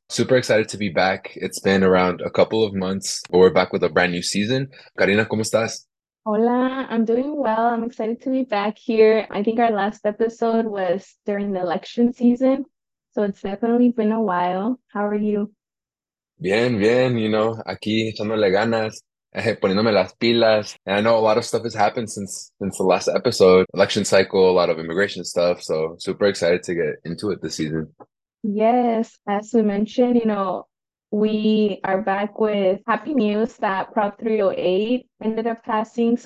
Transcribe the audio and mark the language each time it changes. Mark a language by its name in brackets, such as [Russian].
[English] Super excited to be back. It's been around a couple of months, but we're back with a brand new season. [Spanish] Karina, ¿cómo estás? Hola, [English] I'm doing well. I'm excited to be back here. I think our last episode was during the election season, so it's definitely been a while. How are you? [Spanish] Bien, bien, [English] you know, [Spanish] aquí echándole ganas, poniéndome las pilas. [English] And I know a lot of stuff has happened since the last episode, election cycle, a lot of immigration stuff. So super excited to get into it this season. Yes, as we mentioned, you know, we are back with happy news that Prop 308 ended up passing.